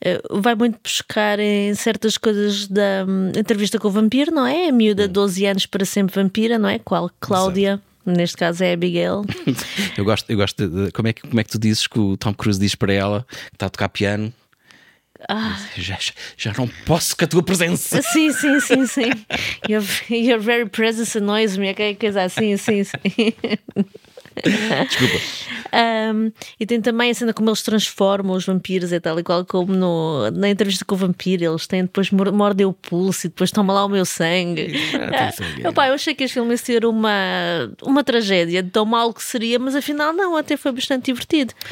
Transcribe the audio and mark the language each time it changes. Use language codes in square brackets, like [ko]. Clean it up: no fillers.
[pt] Vai muito buscar em certas coisas da entrevista com o vampiro, não é? A miúda de 12 anos para sempre vampira, não é? Qual? Cláudia. Exato. Neste caso é Abigail. Eu gosto de como é que tu dizes que o Tom Cruise diz para ela que está a tocar piano. Já não posso com a tua presença. Sim. [en] Your very presence annoys me. [pt] Aquela coisa assim, sim. Desculpa. E tem também a cena como eles transformam os vampiros e tal e qual, como no, na entrevista com o vampiro. Eles têm depois mordem o pulso e depois toma lá o meu sangue. Eu achei que este filme ia ser uma tragédia, tão mal que seria, mas afinal, não, até foi bastante divertido.